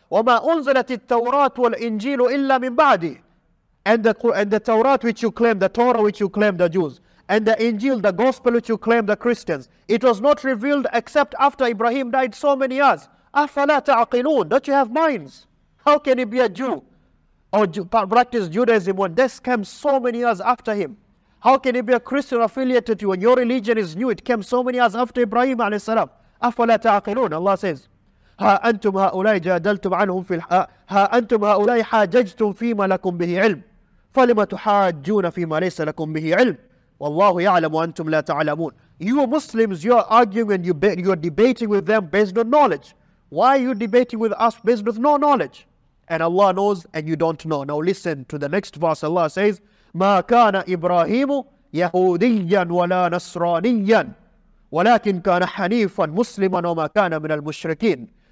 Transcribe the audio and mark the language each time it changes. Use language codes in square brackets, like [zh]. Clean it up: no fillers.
[ar] وَمَا أُنزَلَتِ التَّوْرَاةُ وَالْإِنْجِيلُ إِلَّا مِنْ بَعْدِ, [en] and the Torah which you claim, the Torah which you claim, the Jews, and the Injil, the Gospel which you claim, the Christians, it was not revealed except after Ibrahim died so many years. [ar] أَفَلَا تَعْقِلُونَ, [en] don't you have minds? How can he be a Jew or practice Judaism when this came so many years after him? How can he be a Christian affiliated to you when your religion is new? It came so many years after Ibrahim alayhi salam. [ar] أَفَلَا تَعْقِلُونَ, [en] Allah says, [ar] ها أنتم هؤلاء جادلتم عنهم في الح... ها أنتم هؤلاء حاججتم فيما لكم به علم فلما تحاجون فيما ليس لكم به علم والله يعلم وأنتم لا تعلمون. [en] You Muslims, you are arguing and you're debating with them based on knowledge. Why are you debating with us based with no knowledge? And Allah knows and you don't know. Now listen to the next verse. Allah says, [ar] ما كان إبراهيم يهوديا ولا نصرانيا ولكن كان حنيفا مسلما وما كان من المشركين.